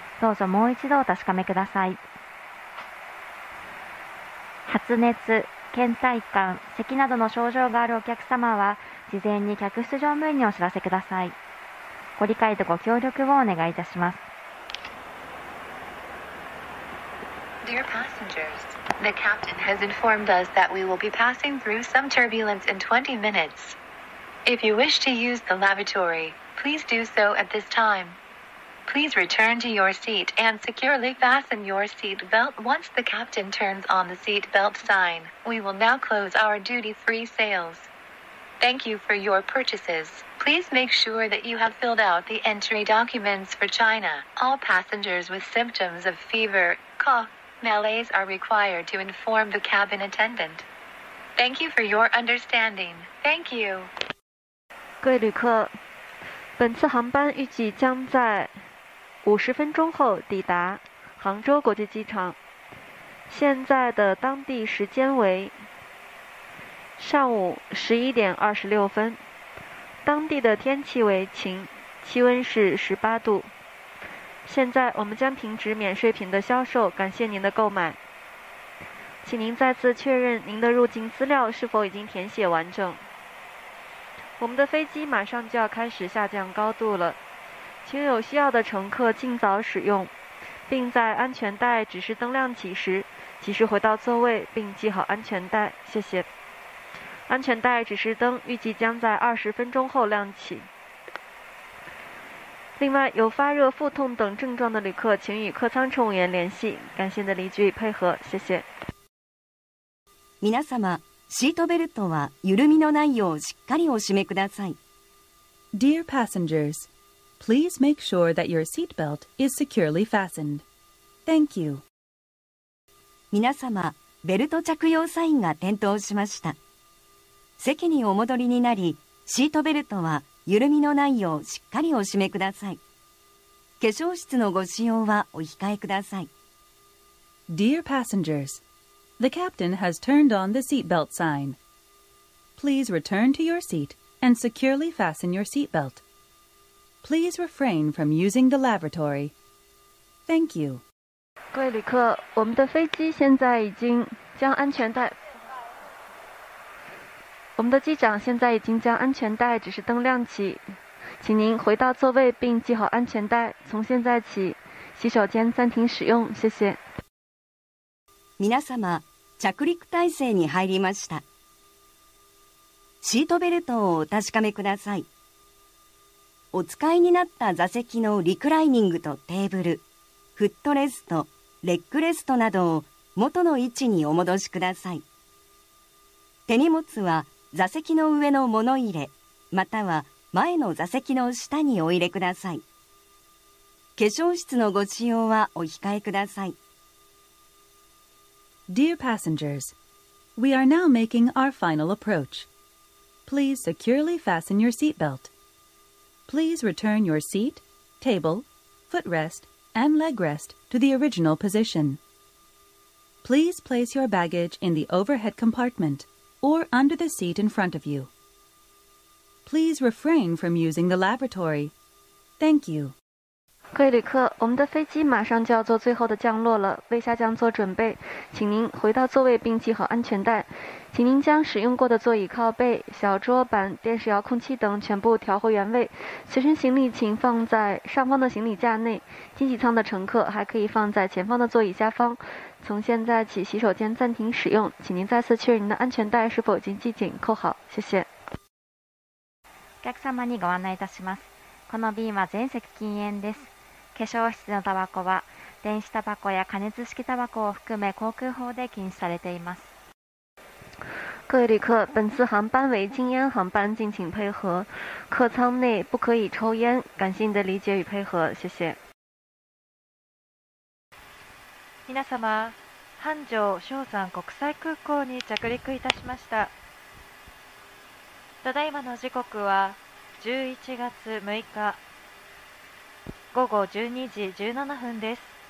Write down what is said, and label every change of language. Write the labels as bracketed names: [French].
[Japanese] どうぞもう一度お確かめください。発熱、倦怠感、咳などの症状があるお客様は、事前に客室乗務員にお知らせください。ご理解とご協力をお願いいたします。 [English] Dear passengers, the captain has informed us that we will be passing through some turbulence in 20 minutes. If you wish to use the lavatory, please do so at this time. Please return to your seat and securely fasten your seat belt once the captain turns on the seat belt sign. We will now close our duty-free sales. Thank you for your purchases. Please make sure that you have filled out the entry documents for China. All passengers with symptoms of fever, cough, malaise are required to inform the cabin attendant. Thank you for your understanding. Thank you. [Chinese] 各位旅客，本次航班预计将在50分钟后抵达杭州国际机场。现在的当地时间为上午11点26分，当地的天气为晴，气温是18度。现在我们将停止免税品的销售，感谢您的购买。请您再次确认您的入境资料是否已经填写完整。我们的飞机马上就要开始下降高度了。请有需要的乘客尽早使用，并在安全带指示灯亮起时及时回到座位并系好安全带。谢谢。安全带指示灯预计将在20分钟后亮起。另外，有发热、腹痛等症状的旅客，请与客舱乘务员联系。感谢您的理解与配合，谢谢。 [Japanese] 皆様、シートベルトは緩みのないようしっかりお締めください。 [English] Dear passengers. Please make sure that your seat belt is securely fastened. Thank you. [Japanese] 皆様、ベルト着用サインが点灯しました。席にお戻りになり、シートベルトは緩みのないようしっかりお締めください。化粧室のご使用はお控えください。 [English] Dear passengers, the captain has turned on the seat belt sign. Please return to your seat and securely fasten your seat belt. Please refrain from using the lavatory. Thank you. [Chinese] 各位旅客，我们的飞机现在已经将安全带。我们的机长现在已经将安全带指示灯亮起，请您回到座位并系好安全带。从现在起，洗手间暂停使用，谢谢。 [Japanese] 皆様、着陸態勢に入りました。シートベルトをお確かめください。お使いになった座席のリクライニングとテーブル、フットレスト、レッグレストなどを元の位置にお戻しください。手荷物は座席の上の物入れ、または前の座席の下にお入れください。化粧室のご使用はお控えください。 [English] Dear passengers, we are now making our final approach. Please securely fasten your seat belt. Please return your seat, table, footrest, and legrest to the original position. Please place your baggage in the overhead compartment or under the seat in front of you. Please refrain from using the lavatory. Thank you. [Chinese] 各位旅客，我们的飞机马上就要做最后的降落了，为下降做准备，请您回到座位并系好安全带。请您将使用过的座椅靠背、小桌板、电视遥控器等全部调回原位。随身行李请放在上方的行李架内。经济舱的乘客还可以放在前方的座椅下方。从现在起，洗手间暂停使用。请您再次确认您的安全带是否已经系紧扣好。谢谢。 [Japanese] お客様にご案内いたします。この便は全席禁煙です。化粧室のタバコは電子タバコや加熱式タバコを含め航空法で禁止されています。 [Chinese] 各位旅客，本次航班为禁烟航班，敬请配合。客舱内不可以抽烟，感谢你的理解与配合，谢谢。 [Japanese] 皆様、繁盛松山国際空港に着陸いたしました。ただいまの時刻は11月6日午後12時17分です。